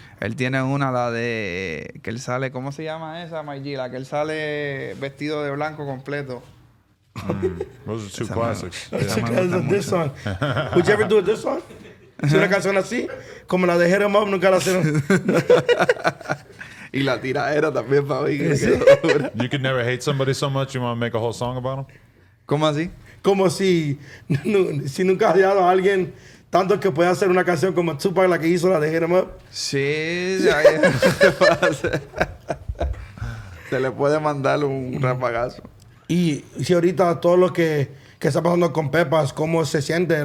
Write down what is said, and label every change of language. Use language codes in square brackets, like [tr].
[es] Él tiene una, la de... Que él sale... ¿Cómo se llama esa, Maggi? La que él sale vestido de blanco completo. [en] Those are two esa classics. Man, yeah. Man, this one. Would you ever do this one? [es] Una canción así, como la de Hit 'Em Up, nunca la hicieron. Y la tiradera también, para mí. [en] You could never hate somebody so much, you want to make a whole song about them? [es] ¿Cómo así? Como si... si nunca has odiado a alguien... Tanto que puede hacer una canción como Tupac, la que hizo la de Hit 'Em Up. Sí, ahí se se le puede mandar un rapagazo. Y si ahorita todo lo que está pasando con Pepas, ¿cómo se siente?